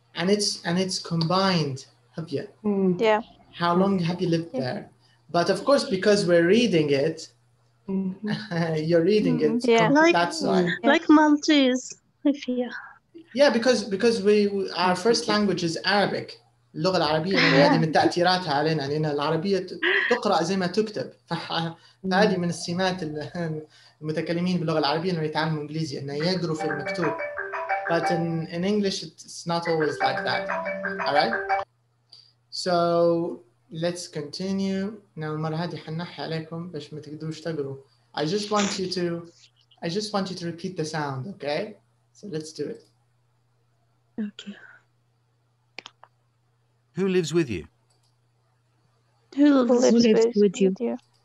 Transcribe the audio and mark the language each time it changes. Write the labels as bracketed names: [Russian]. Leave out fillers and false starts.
[English] And it's combined, have you? Yeah. How long have you lived there? But of course, because we're reading it, mm-hmm. you're reading it. Yeah. Like Maltese, I feel. Yeah, because our first language is Arabic. [Arabic] اللغة العربية هي هذه من تأثيراتها علينا لأن العربية تقرأ زي ما تكتب. فهذه من السمات المتكلمين باللغة العربية اللي يتعلموا إنجليزي إنه يقروا في المكتوب. [English] But in English, it's not always like that. All right. So let's continue. Now, [Arabic] المرة هذه حنحي عليكم باش ما تقدروش تقروا. [English] I just want you to repeat the sound. Okay. So let's do it. Okay. Who lives with you? Who lives with you?